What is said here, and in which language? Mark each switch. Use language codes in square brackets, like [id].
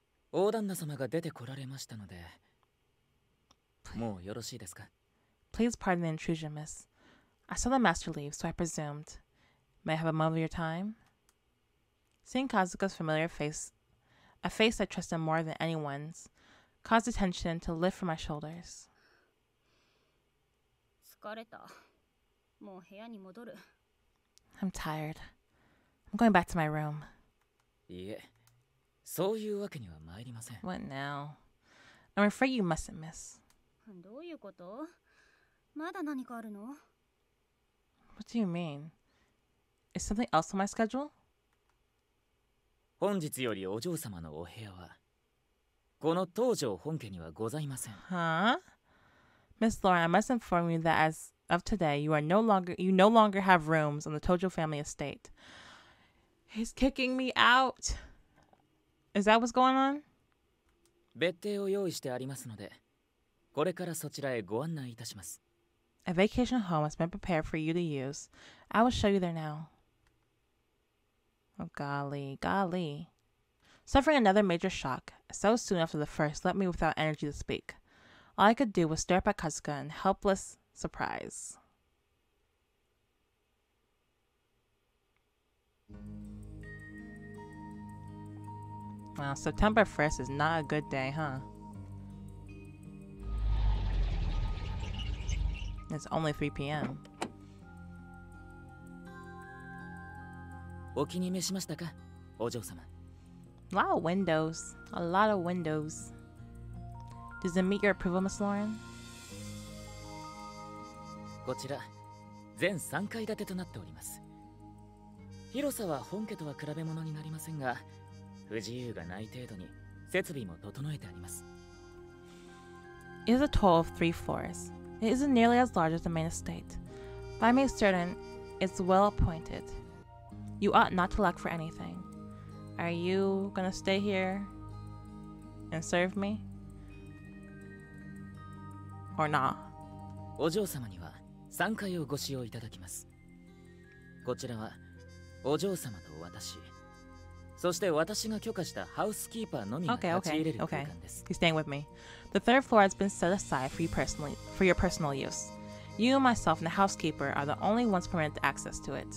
[ja] 大旦那様が出てこられましたので、もうよろしいですか? [en] Please pardon the intrusion, miss. I saw the master leave, so I presumed. May I have a moment of your time? Seeing Kazuka's familiar face, a face I trusted more than anyone's, caused the tension to lift from my shoulders. [ja] 疲れた。もう部屋に戻る。 [en] I'm tired. I'm going back to my room. [ja] いえ、そういうわけには参りません。 [en] What now? I'm afraid you mustn't miss. [ja] どういうこと?まだ何かあるの? [en] What do you mean? Is something else on my schedule? [ja] 本日よりお嬢様のお部屋は、この東条本家にはございません。 [en] Huh? Miss Lauren, I must inform you that as of today, you no longer have rooms on the Tojo family estate. He's kicking me out. Is that what's going on? [ja] 別邸を用意してありますので、これからそちらへご案内いたします。 [en] A vacation home has been prepared for you to use. I will show you there now. Oh, golly, golly. Suffering another major shock, so soon after the first left me without energy to speak. All I could do was stare up at Kazuka in helpless surprise. Wow, September 1st is not a good day, huh? It's only 3 p.m. [ja] お気に召しましたか、お嬢様? [en] A lot of windows. A lot of windows. Does it meet your approval, Miss Lauren? [ja] こちら全3階建てとなっております。広さは本家とは比べ物になりませんが、不自由がない程度に設備も整えてあります。 [en] It is a total of 3 floors. It isn't nearly as large as the main estate, but I make certain it's well appointed. You ought not to lack for anything. Are you gonna stay here and serve me? Or not? [ja] お嬢様には3階をご使用いただきます。こちらはお嬢様と私、そして私が許可したハウスキーパーのみが立ち入れる空間です。 [en] He's staying with me. The third floor has been set aside for your personal use. You, myself, and the housekeeper are the only ones permitted access to it.